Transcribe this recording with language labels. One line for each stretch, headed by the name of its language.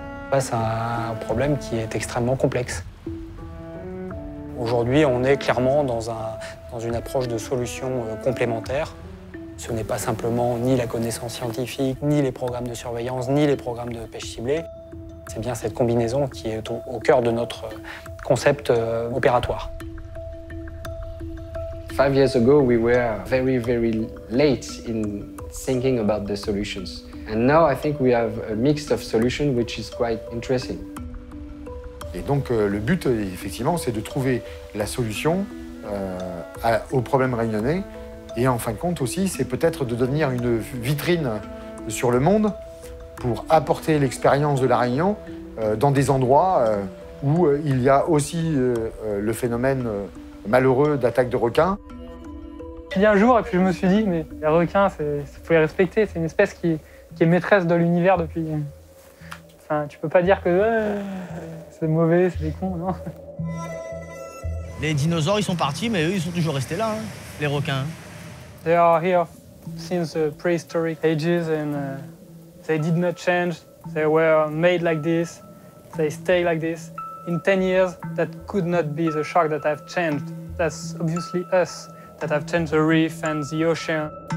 French: Face à un problème qui est extrêmement complexe. Aujourd'hui, on est clairement dans une approche de solution complémentaire. Ce n'est pas simplement ni la connaissance scientifique, ni les programmes de surveillance, ni les programmes de pêche ciblée. C'est bien cette combinaison qui est au cœur de notre concept opératoire.
English: 5 years ago, we were very, very late in thinking about the solutions. And now, I think we have a mix of solutions which is quite interesting.
French: Et donc, le but, effectivement, c'est de trouver la solution au problème réunionnais. Et en fin de compte aussi, c'est peut-être de devenir une vitrine sur le monde pour apporter l'expérience de La Réunion dans des endroits où il y a aussi le phénomène malheureux d'attaque de requins. J'ai dit un jour et puis je me suis dit, mais les requins, il faut les respecter. C'est une espèce qui est maîtresse de l'univers depuis... Enfin, tu peux pas dire que c'est mauvais, c'est des cons, non? Les dinosaures, ils sont partis, mais eux, ils sont toujours restés là, hein, les requins.
English: They are here since prehistoric ages and they did not change. They were made like this. They stay like this. In 10 years, that could not be the shark that have changed. That's obviously us that have changed the reef and the ocean.